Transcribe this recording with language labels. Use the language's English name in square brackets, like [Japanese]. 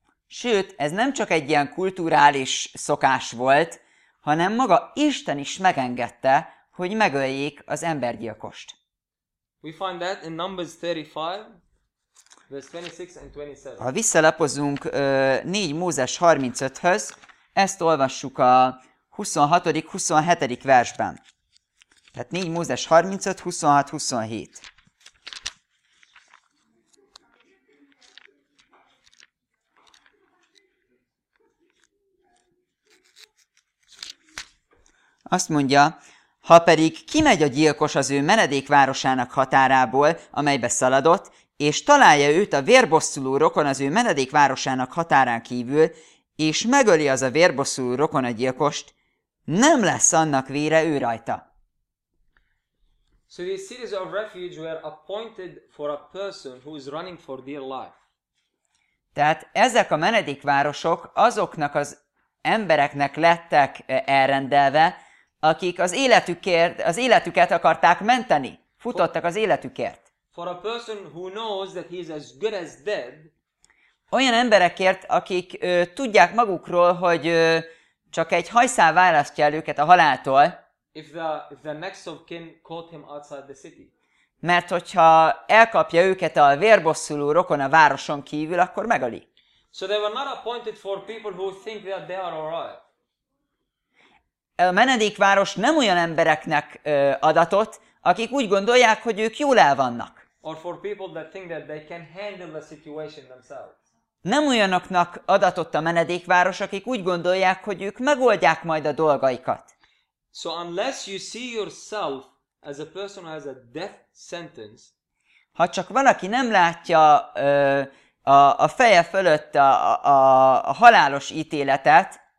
[Hungarian] Sőt, ez nem csak egy ilyen kulturális szokás volt, hanem maga Isten is megengedte, hogy megöljék az embergyilkost. [English] We find that in Numbers 35, verse 26 and 27. [Hungarian] Ha visszalapozunk 4 Mózes 35-höz, ezt olvassuk a 26. 27. versben. Tehát 4 Mózes 35, 26, 27. Azt mondja, ha pedig kimegy a gyilkos az ő menedékvárosának határából, amelybe szaladott, és találja őt a vérbosszuló rokon az ő menedékvárosának határán kívül, és megöli az a vérbosszuló rokon a gyilkost, nem lesz annak vére ő rajta. [English] So these cities of refuge were appointed for a person who is running for dear life. [Hungarian] Tehát ezek a menedékvárosok azoknak az embereknek lettek elrendelve, akik az életüket akarták menteni, futottak az életükért. [English] For a person who knows that he is as good as dead, [Hungarian] olyan emberekért, akik tudják magukról, hogy csak egy hajszál választja el őket a haláltól, [English] if the next of kin caught him outside the city. [Hungarian] Mert hogyha elkapja őket a vérbosszuló rokon a városon kívül, akkor megöli. [English] So they were not appointed for people who think that they are alright. [Hungarian] A menedékváros nem olyan embereknek adatot, akik úgy gondolják, hogy ők jól el vannak. [English] Or for people that think that they can handle the situation themselves. [Hungarian] Nem olyanoknak adatott a menedékváros, akik úgy gondolják, hogy ők megoldják majd a dolgaikat. [English] So unless you see yourself as a person who has a death sentence, [Hungarian] ha csak valaki nem látja a feje fölött a halálos ítéletet,